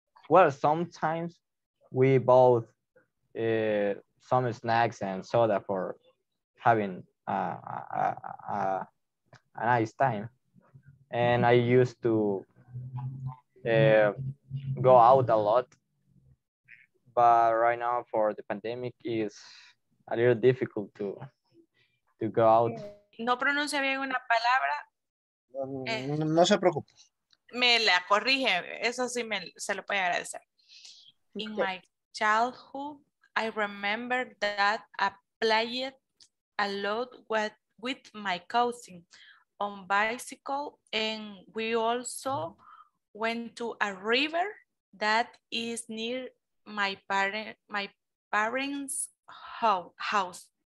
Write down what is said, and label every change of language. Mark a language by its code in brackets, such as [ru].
[en] Well, sometimes we bought some snacks and soda for having a nice time. And I used to go out a lot, but right now for the pandemic is a little difficult to go out. [es] No pronuncia bien una palabra. No se preocupe. Me la corrige, eso sí se lo puede agradecer. [en] In my childhood, I remember that I played a lot with my cousin on bicycle, and we also went to a river that is near my parents' house.